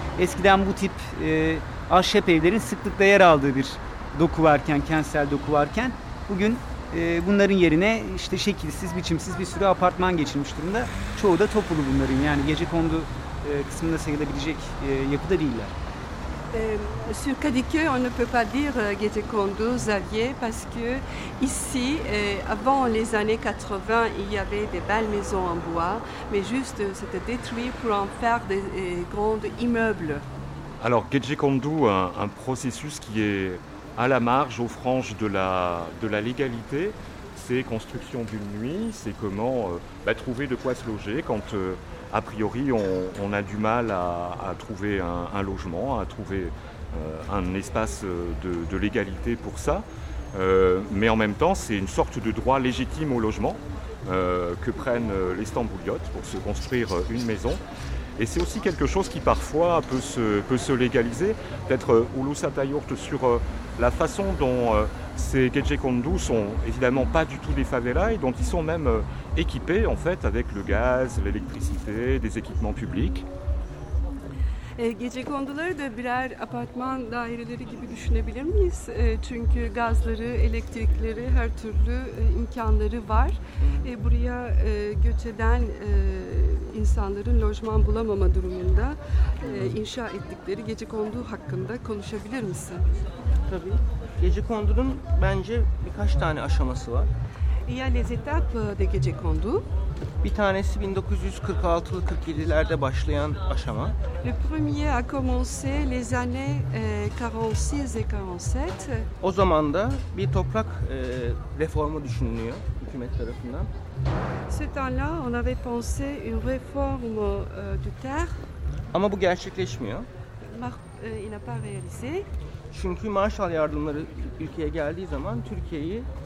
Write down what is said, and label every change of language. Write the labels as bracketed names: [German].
[Turkish] Eskiden bu tip ahşap evlerin sıklıkla yer aldığı bir doku varken, kentsel doku varken bugün bunların yerine işte şekilsiz, biçimsiz bir sürü apartman geçirmiş durumda. Çoğu da topulu bunların, yani gece kondu kısmında sayılabilecek yapıda değiller. [French] Sur Kadıköy, on ne peut pas dire gece kondu, Xavier, parce que ici, avant les années 80, il y avait des belles maisons en bois, mais juste c'était détruit pour en faire des grands immeubles. Alors gece kondu, un processus qui est à la marge, aux franges de la légalité, c'est construction d'une nuit, c'est comment trouver de quoi se loger quand a priori on a du mal à trouver un logement, à trouver un espace de légalité pour ça. Mais en même temps, c'est une sorte de droit légitime au logement que prennent les Stambouliotes pour se construire une maison. Et c'est aussi quelque chose qui parfois peut se légaliser. Peut-être Ulus Atayurt sur la façon dont ces gece kondu sont évidemment pas du tout des favelas et dont ils sont même équipés en fait avec le gaz, l'électricité, des équipements publics. [Turkish] Gece konduları da birer apartman daireleri gibi düşünebilir miyiz? Çünkü gazları, elektrikleri, her türlü imkanları var. Buraya göç eden insanların lojman bulamama durumunda inşa ettikleri gece kondu hakkında konuşabilir misin? Tabii. Gece kondunun bence birkaç tane aşaması var. [French] Ya les étapes de gece kondu. [Turkish] Bir tanesi 1946'lı 47'lerde başlayan aşama. [French] Le premier a commencé les années 46 et 47. [Turkish] O zaman da bir toprak reformu düşünülüyor hükümet tarafından. [French] Ce temps-là, on avait pensé une réforme du terre. [Turkish] Ama bu gerçekleşmiyor. [French] Il n'a pas réalisé. [Turkish] Çünkü Marshall yardımları ülkeye geldiği zaman Türkiye'yi